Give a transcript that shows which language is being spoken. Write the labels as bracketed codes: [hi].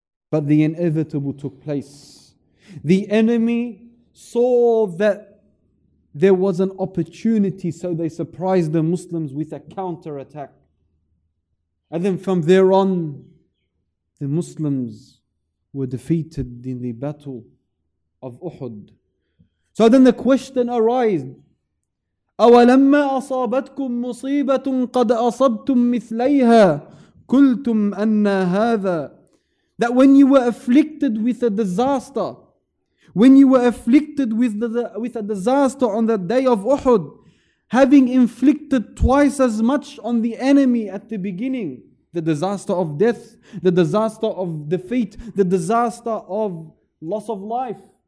[en] But the inevitable took place. The enemy saw that there was an opportunity, so they surprised the Muslims with a counter-attack. And then from there on, the Muslims were defeated in the battle of Uhud. So then the question arises, [ar] أَوَلَمَّا أَصَابَتْكُمْ مُصِيبَةٌ قَدْ أَصَبْتُمْ مِثْلَيْهَا كُلْتُمْ أَنَّ هَذَا. [en] That when you were afflicted with a disaster, when you were afflicted with with a disaster on the day of Uhud, having inflicted twice as much on the enemy at the beginning, the disaster of death, the disaster of defeat, the disaster of loss of life.